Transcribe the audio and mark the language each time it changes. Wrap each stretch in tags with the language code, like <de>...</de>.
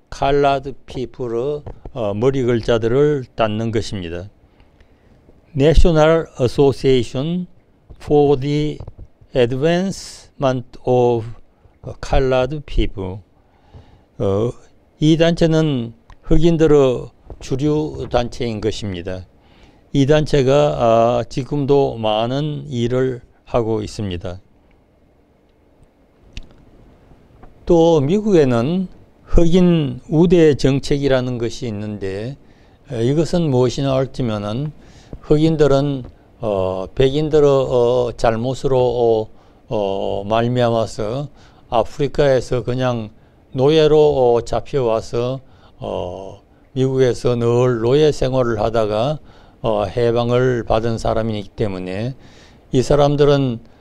<ko>칼라드 피플의 머리 글자들을 닦는 것입니다.</ko> <en>National Association for the Advancement of Colored People.</en> <ko>이 단체는 흑인들의 주류 단체인 것입니다. 이 단체가 지금도 많은 일을 하고 있습니다. 또 미국에는 흑인 우대 정책이라는 것이 있는데 이것은 무엇이냐 할지면은 흑인들은 백인들의 잘못으로 말미암아서 아프리카에서 그냥 노예로 잡혀와서 미국에서 늘 노예 생활을 하다가 해방을 받은 사람이기 때문에 이 사람들은</ko>